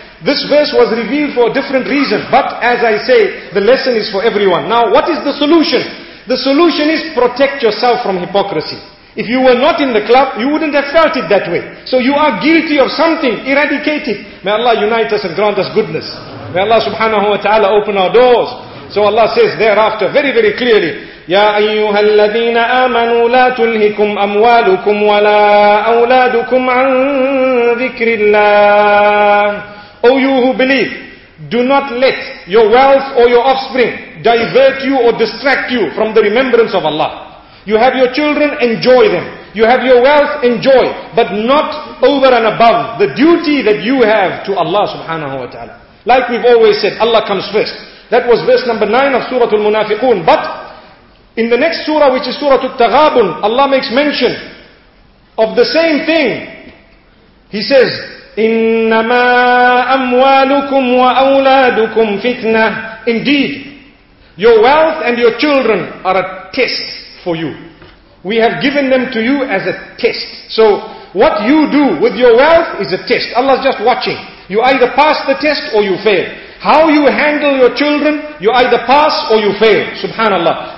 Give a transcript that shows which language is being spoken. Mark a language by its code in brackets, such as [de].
[en] This verse was revealed for a different reason. But as I say, the lesson is for everyone. Now, what is the solution? The solution is protect yourself from hypocrisy. If you were not in the club, you wouldn't have felt it that way. So you are guilty of something. Eradicate it. May Allah unite us and grant us goodness. May Allah subhanahu wa ta'ala open our doors. So Allah says thereafter, very, very clearly, [ar] يَا أَيُّهَا الَّذِينَ آمَنُوا لَا تُلْهِكُمْ أَمْوَالُكُمْ وَلَا أَوْلَادُكُمْ عَنْ ذِكْرِ اللَّهِ. [en] O you who believe, do not let your wealth or your offspring divert you or distract you from the remembrance of Allah. You have your children, enjoy them. You have your wealth, enjoy. But not over and above the duty that you have to Allah subhanahu wa ta'ala. Like we've always said, Allah comes first. That was verse number 9 of Surah Al-Munafiqun. But in the next surah, which is Surah Al-Taghabun, Allah makes mention of the same thing. He says, [ar] إِنَّمَا أَمْوَالُكُمْ وَأَوْلَادُكُمْ فِتْنَةً. [en] Indeed, your wealth and your children are a test for you. We have given them to you as a test. So what you do with your wealth is a test. Allah is just watching. You either pass the test or you fail. How you handle your children, you either pass or you fail. Subhanallah.